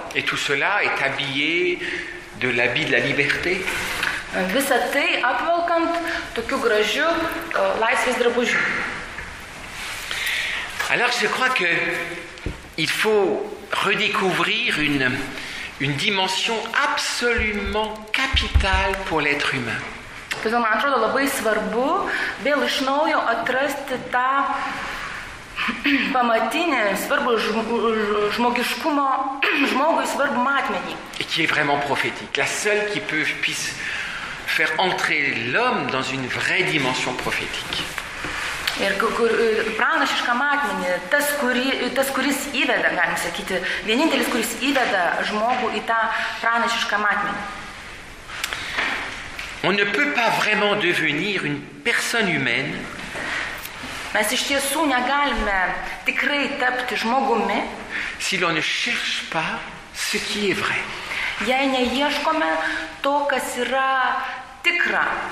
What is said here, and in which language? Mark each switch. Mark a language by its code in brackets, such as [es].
[fr] Et tout cela est habillé de l'habit de la liberté. [lt] Visa tai apvelkant tokiu gražiu laisvės drabužiu. [fr] Alors je crois que il faut redécouvrir une dimension absolument capitale pour l'être humain. [lt] Tai man atrodo labai svarbu vėl iš naujo atrasti tą pamatinį svarbu žmogiškumo žmogui svarbu matmenį. [fr] Et qui est vraiment prophétique, la seule qui puisse faire entrer l'homme dans une vraie dimension prophétique. [lt] Ir pranašišką matmenį, tas kuris įveda, galim sakyti, vienintelis, kuris įveda žmogų į tą pranašišką matmenį. [fr] On ne peut pas vraiment devenir une personne humaine. [lt] Mes iš tiesų negalime tikrai tapti žmogumi. [fr] Si l'on ne cherche pas ce qui est vrai. [lt] Jei neieškome to, kas yra tikra.